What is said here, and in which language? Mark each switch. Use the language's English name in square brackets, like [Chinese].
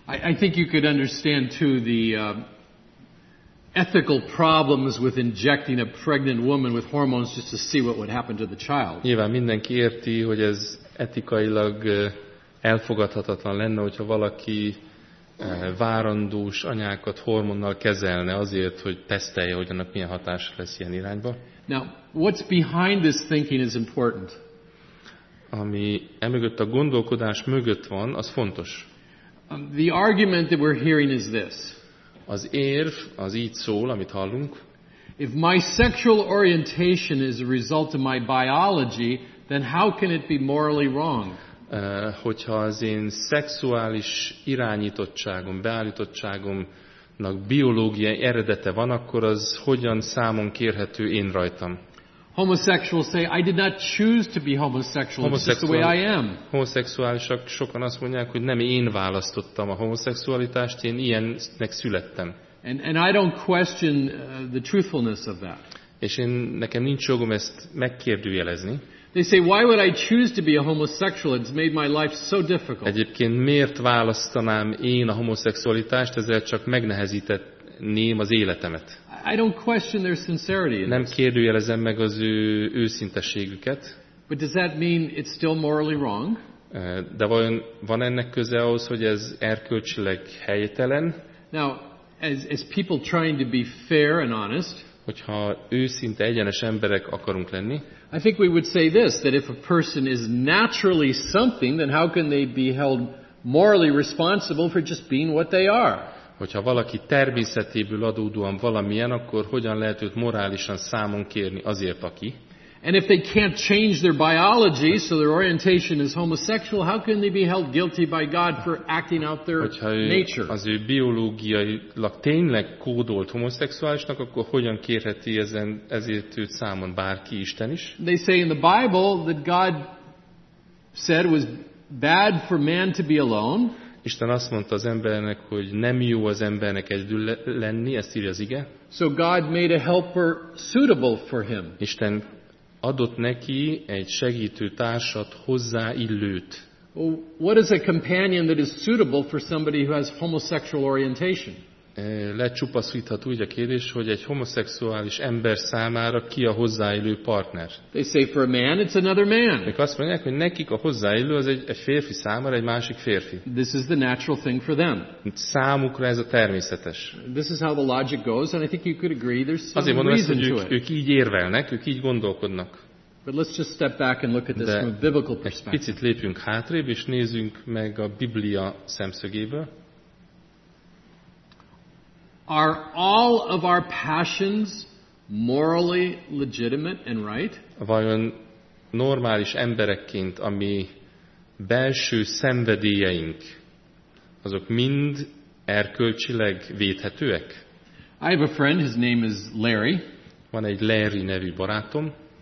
[English] I think you could understand too the ethical problems with injecting a pregnant woman with hormones just to see what would happen to the child. [Hungarian] Nyilván mindenki érti, hogy ez etikailag elfogadhatatlan lenne, hogyha valaki várandós anyákat hormonnal kezelne azért, hogy tesztelje, hogy annak milyen hatása lesz ilyen irányba. [English] Now, what's behind this thinking is important. [Hungarian] Ami emögött a gondolkodás mögött van, az fontos. [English] The argument that we're hearing is this. [Hungarian] Az érv, az így szól, amit hallunk. [English] If my sexual orientation is a result of my biology, then how can it be morally wrong? [Hungarian] Hogyha az én szexuális irányítottságom, beállítottságomnak biológiai eredete van, akkor az hogyan számon kérhető én rajtam? [English] Homosexuals say, I did not choose to be homosexual, it's just the way I am. [Hungarian] Homoszexuálisak sokan azt mondják, hogy nem én választottam a homoszexualitást, én ilyennek születtem. [English] And I don't question the truthfulness of that. [Hungarian] És én, nekem nincs jogom ezt megkérdőjelezni. [English] They say, why would I choose to be a homosexual? It's made my life so difficult. [Hungarian] Egyébként miért választanám én a homoszexualitást, ezzel csak megnehezíteném az életemet. [English] I don't question their sincerity. [Hungarian] Nem kérdőjelezem meg az ő őszinteségüket. [English] But does that mean it's still morally wrong? [Hungarian] De vajon van ennek köze ahhoz, hogy ez erkölcsileg helytelen? [English] Now, as people trying to be fair and honest, [Hungarian] hogyha őszinte, egyenes emberek akarunk lenni, [English] I think we would say this, that if a person is naturally something, then how can they be held morally responsible for just being what they are? [Hungarian] Hogyha valaki természetéből adódóan valamilyen, akkor hogyan lehet őt morálisan számon kérni azért, aki? [English] And if they can't change their biology, so their orientation is homosexual, how can they be held guilty by God for acting out their nature? [Hungarian] Az ő biológiailag tényleg kódolt homoszexuálisnak, akkor hogyan kérheti ezért őt számon bárki, Isten is? [English] They say in the Bible that God said was bad for man to be alone. [Hungarian] Isten azt mondta az embernek, hogy nem jó az embernek egyedül lenni, ezt írja az ige. [English] So God made a helper suitable for him. [Hungarian] Isten adott neki egy segítő társat, hozzáillőt. [English] What is a companion that is suitable for somebody who has homosexual orientation? [Hungarian] Lecsupaszítható úgy a kérdés, hogy egy homoszexuális ember számára ki a hozzáillő partner. [English] They say for a man, it's another man. [Hungarian] Ők azt mondják, hogy nekik a hozzáillő az egy férfi számára, egy másik férfi. [English] This is the natural thing for them. [Hungarian] Számukra ez a természetes. [English] This is how the logic goes, and I think you could agree there's some to it. [Hungarian] Azért mondom ezt, hogy ők így érvelnek, ők így gondolkodnak. [English] But let's just step back and look at this from a biblical perspective. [Hungarian] Egy picit lépjünk hátrébb, és nézzünk meg a Biblia szemszögéből. [English] Are all of our passions morally legitimate and right? [Hungarian] Vajon normális emberekként, ami belső szenvedélyeink, azok mind erkölcsileg védhetőek? [English] I have a friend, his name is Larry. [Hungarian] Van egy Larry nevű barátom.